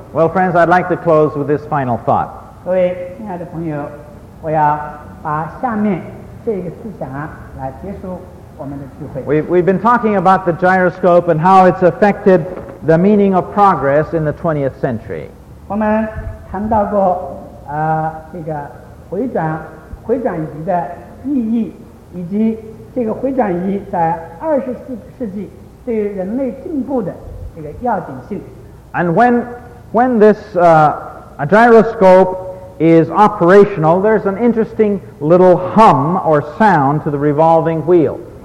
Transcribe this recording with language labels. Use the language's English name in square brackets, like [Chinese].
[English] Well, friends, I'd like to close with this final thought. [Chinese] 各位亲爱的朋友，我要把下面。这个思想来结束我们的聚会。 [English] We've been talking about the gyroscope and how it's affected the meaning of progress in the 20th century. [Chinese] 我们谈到过这个回转移的意义，以及这个回转移在二十四世纪对人类进步的这个要紧性。 [English] And when this a gyroscope. Is operational, there's an interesting little hum or sound to the revolving wheel.